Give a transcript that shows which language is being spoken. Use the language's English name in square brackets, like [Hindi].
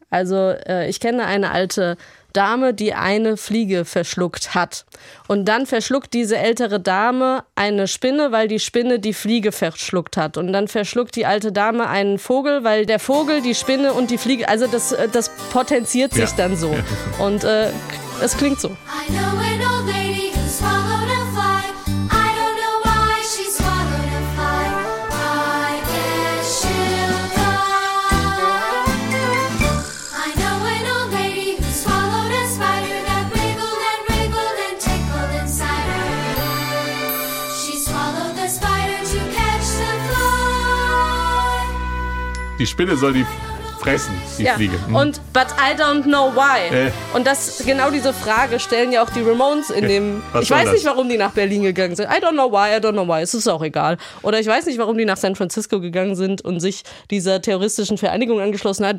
[German] Also ich kenne eine alte Dame, die eine Fliege verschluckt hat. Und dann verschluckt diese ältere Dame eine Spinne, weil die Spinne die Fliege verschluckt hat. Und dann verschluckt die alte Dame einen Vogel, weil der Vogel, die Spinne und die Fliege, also das potenziert sich dann so. Und es klingt so. [English] I know an old lady who swallowed a fly. I don't know why she swallowed a fly. I guess she'll die. I know an old lady who swallowed a spider that wriggled and wriggled and tickled inside her. She swallowed the spider to catch the fly. [German] Die Spinne soll die fressen, die Fliege. [English] Und but I don't know why. [German] Und das, genau diese Frage stellen ja auch die Ramones in dem, ich weiß nicht, warum die nach Berlin gegangen sind. [English] I don't know why, [German] es ist auch egal. Oder ich weiß nicht, warum die nach San Francisco gegangen sind und sich dieser terroristischen Vereinigung angeschlossen haben.